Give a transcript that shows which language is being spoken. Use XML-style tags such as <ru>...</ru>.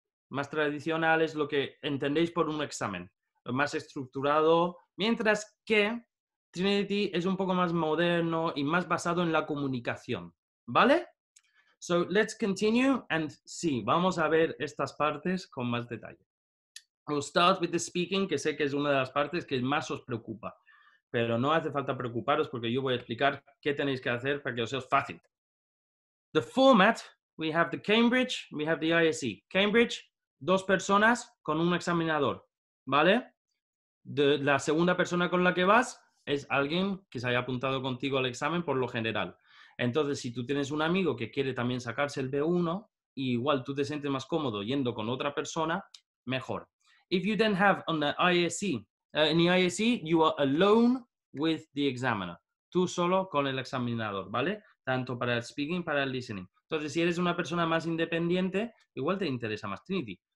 <es>Más tradicional es lo que entendéis por un examen, más estructurado, mientras que Trinity es un poco más moderno y más basado en la comunicación, ¿vale?</es> <en>So let's continue and see.</en> <es>Vamos a ver estas partes con más detalle.</es> <en>We'll start with the speaking,</en> <es>que sé que es una de las partes que más os preocupa. Pero no hace falta preocuparos porque yo voy a explicar qué tenéis que hacer para que os sea fácil.</es> <en>The format, we have the Cambridge, we have the ISE.</en> <es>Cambridge, 2 personas con un examinador, ¿vale? La segunda persona con la que vas es alguien que se haya apuntado contigo al examen por lo general. Entonces, si tú tienes un amigo que quiere también sacarse el B1, y igual tú te sientes más cómodo yendo con otra persona, mejor.</es> <en>If you then have on the ISE, in the ISE, you are alone with the examiner.</en> <es>Tú solo con el examinador, ¿vale? Tanto para el speaking, para el listening. Entonces, si eres una persona más independiente, igual te interesa más Trinity.</es>